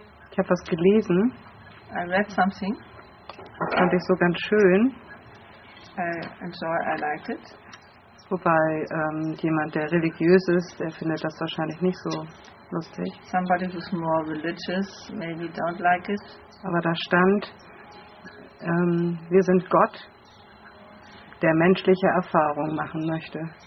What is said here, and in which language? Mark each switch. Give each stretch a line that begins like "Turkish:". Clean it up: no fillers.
German: Ich habe was gelesen.
English: I read something.
German: Das fand ich so ganz schön.
English: I'm sure I liked it.
German: Wobei jemand, der religiös ist, der findet das wahrscheinlich nicht so lustig.
English: Somebody who's more religious maybe don't like it.
German: Aber da stand, wir sind Gott, der menschliche Erfahrung machen möchte.